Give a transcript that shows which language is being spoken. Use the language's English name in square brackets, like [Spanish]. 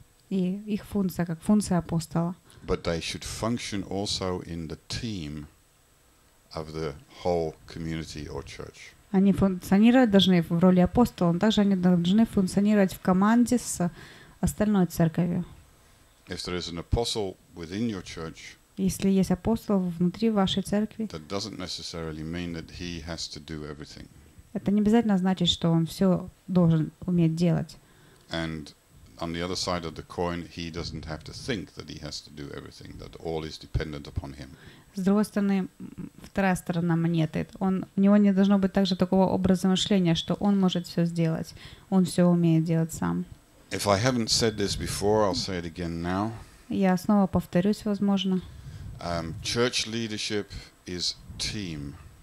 [Russian] И их функция как функция апостола. [English] But they should function also in the team of the whole community or church. [Russian] Они функционировать должны в роли апостола, но также они должны функционировать в команде с остальной церковью. [English] If there is an apostle within your church, [Russian] если есть апостол внутри вашей церкви, [English] that doesn't necessarily mean that he has to do everything. [Russian] Это не обязательно значит, что он все должен уметь делать. [English] And on the other side of the coin, he doesn't have to think that he has to do everything, that all is dependent upon him. [Russian] С другой стороны, вторая сторона монеты. Он, у него не должно быть также такого образа мышления, что он может все сделать. Он все умеет делать сам. [English] If I haven't said this before, I'll say it again now. [Russian] Я снова повторюсь, возможно. [English] Church leadership is team.